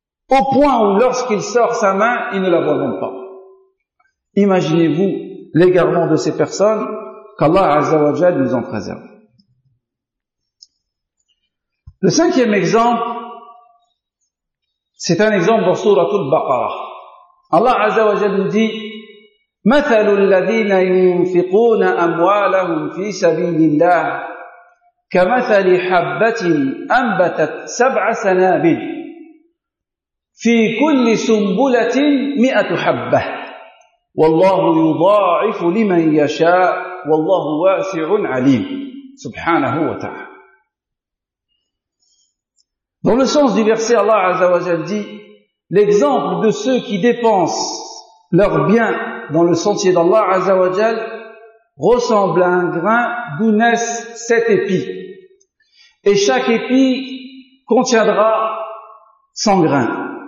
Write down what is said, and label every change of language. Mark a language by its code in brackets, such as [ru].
[fr] Au point où lorsqu'il sort sa main, il ne la voit même pas. Imaginez-vous l'égarement de ces personnes, qu'Allah Azza wa Jal nous en préserve. Le cinquième exemple, c'est un exemple dans Sourate Al-Baqarah. Allah Azza wa Jal nous dit, [ar] « مَثَلُ الَّذِينَ يُنْفِقُونَ أَمْوَالَهُمْ فِي سَبِيلِ اللَّهِ كَمَثَلِ حَبَّةٍ أَنْبَتَتْ سَبْعَ سَنَابِلٍ في كل سنبلة مئة حبة والله يضاعف لمن يشاء والله واسع عليم سبحانه وتعالى. [fr] Dans le sens du verset, Allah Azza wa Jalla dit, l'exemple de ceux qui dépensent leurs biens dans le sentier d'Allah Azza wa Jalla ressemble à un grain d'où naissent sept épis. Et chaque épi contiendra 100 grains.